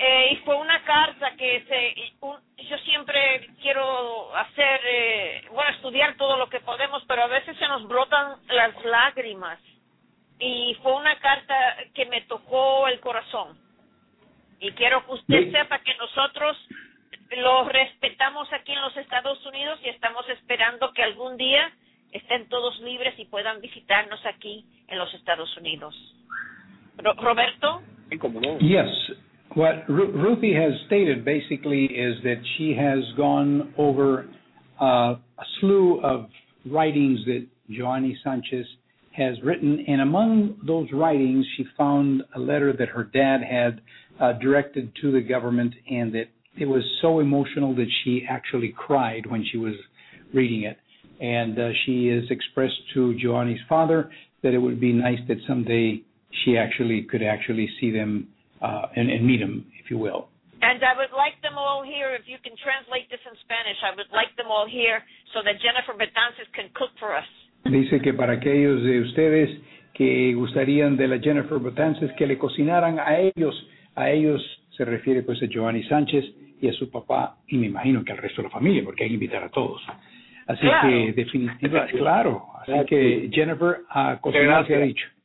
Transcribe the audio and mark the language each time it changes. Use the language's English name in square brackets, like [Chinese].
[Spanish] y fue una carta que yo siempre quiero hacer, bueno, estudiar todo lo que podemos, pero a veces se nos brotan las lágrimas, y fue una carta que me tocó el corazón, y quiero que usted sepa que nosotros lo respetamos aquí en los Estados Unidos y estamos esperando que algún día estén todos libres y puedan visitarnos aquí en los Estados Unidos. [English] Roberto? Yes. What Ruthie has stated basically is that she has gone over a slew of writings that Giovanni Sánchez has written, and among those writings she found a letter that her dad had directed to the government, and that it was so emotional that she actually cried when she was reading it. And she has expressed to Giovanni's father that it would be nice that someday she actually could actually see them and meet them, if you will. And I would like them all here, if you can translate this in Spanish, I would like them all here so that Jennifer Betances can cook for us. [Spanish] Dice que para aquellos de ustedes que gustarían de la Jennifer Betances que le cocinaran a ellos se refiere pues a Giovanni Sánchez y a su papá, y me imagino que al resto de la familia, porque hay que invitar a todos. Así claro. Que definitiva, claro, así que Jennifer, a cocinar se ha dicho.